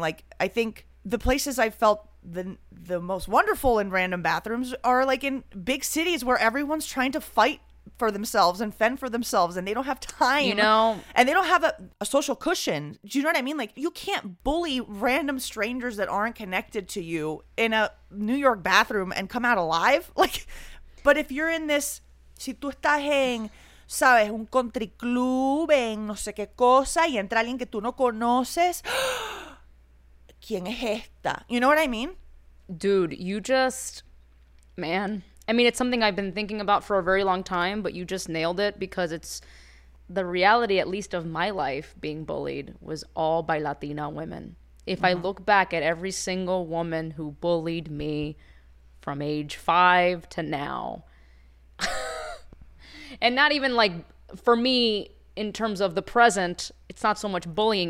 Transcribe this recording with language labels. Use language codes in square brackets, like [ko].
[en] Like, I think the places I felt the most wonderful in random bathrooms are like in big cities where everyone's trying to fight for themselves and fend for themselves and they don't have time. You know? And they don't have a social cushion. Do you know what I mean? Like, you can't bully random strangers that aren't connected to you in a New York bathroom and come out alive. Like, but if you're in this, [es] si tú estás en, sabes, un country club en no sé qué cosa y entra alguien que tú no conoces, ¿quién es esta? [en] You know what I mean? Dude, you just, man, I mean, it's something I've been thinking about for a very long time, but you just nailed it because it's the reality, at least of my life being bullied, was all by Latina women. If mm-hmm. I look back at every single woman who bullied me from age 5 to now, and not even like for me in terms of the present, it's not so much bullying.